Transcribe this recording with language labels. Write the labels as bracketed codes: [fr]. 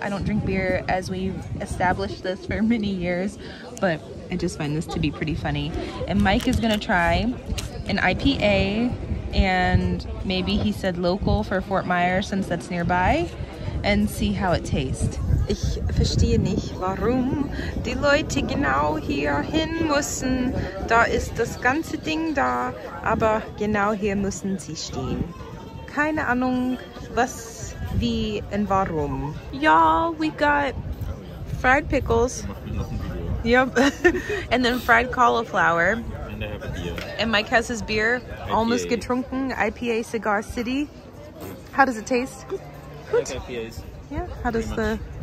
[en] I don't drink beer, as we've established this for many years, but I just find this to be pretty funny. And Mike is going to try an IPA, and maybe he said local for Fort Myers, since that's nearby, and see how it tastes. [de] Ich verstehe nicht, warum die Leute genau hier hin müssen. Da ist das ganze Ding da, aber genau hier müssen sie stehen. Keine Ahnung, was, wie und warum. [en] Y'all, we got fried pickles. Yep. And then fried cauliflower. And Mike has his beer. IPA. Almost getrunken. IPA Cigar City. How does it taste? Good. Like IPAs. Yeah, how does the...